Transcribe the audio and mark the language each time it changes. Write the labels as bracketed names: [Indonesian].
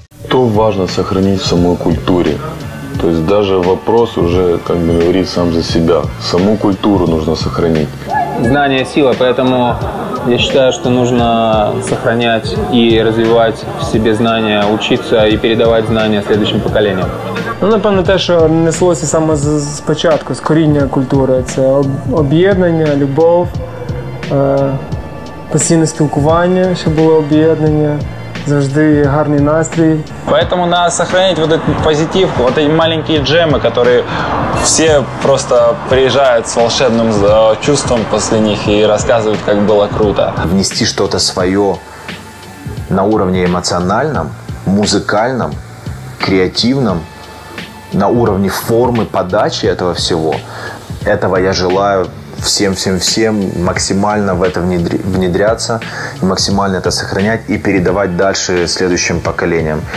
[Russian] важно сохранить в самой культуре. То есть даже вопрос уже, как бы, говорит сам за себя. Саму культуру нужно сохранить. Знание – сила, поэтому я считаю, что нужно сохранять и развивать в себе знания, учиться и передавать знания следующим поколениям. [Ukrainian] Ну, напевно, те, що неслося саме з початку, з коріння культури. Це об'єднання, любов, постійне спілкування, щоб було об'єднання, завжди гарний настрій. [Russian] Поэтому надо сохранить вот эту позитивку, вот эти маленькие джемы, которые все просто приезжают с волшебным чувством после них и рассказывают, как было круто. Внести что-то свое на уровне эмоциональном, музыкальном, креативном, на уровне формы подачи этого всего, этого я желаю всем-всем-всем максимально в это внедряться, максимально это сохранять и передавать дальше следующим поколениям.